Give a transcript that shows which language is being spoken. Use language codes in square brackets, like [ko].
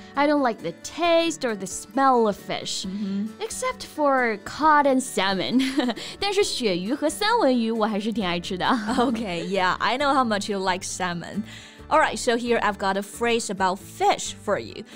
[en] I don't like the taste or the smell of fish. Except for cod and salmon. [zh] 但是鳕鱼和三文鱼我还是挺爱吃的。 [en] Okay, yeah, I know how much you like salmon. Alright, so here I've got a phrase about fish for you.